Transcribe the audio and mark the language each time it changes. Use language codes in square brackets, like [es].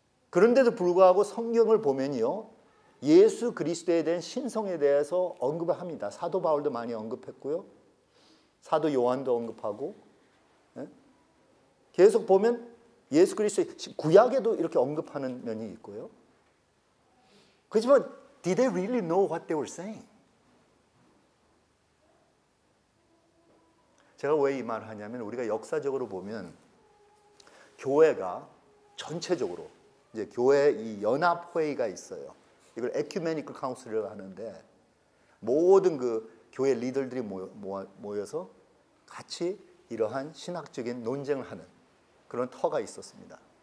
[ko] 그런데도 불구하고 성경을 보면요. 예수 그리스도에 대한 신성에 대해서 언급을 합니다. 사도 바울도 많이 언급했고요. 사도 요한도 언급하고. 계속 보면 예수 그리스도 구약에도 이렇게 언급하는 면이 있고요. 그렇지만 [en] did they really know what they were saying? [ko] 제가 왜 이 말을 하냐면 우리가 역사적으로 보면 교회가 전체적으로 이제 교회 이 연합 회의가 있어요. 이걸 에큐메니컬 카운슬이라고 하는데 모든 그 교회 리더들이 모여서 같이 이러한 신학적인 논쟁을 하는 그런 터가 있었습니다.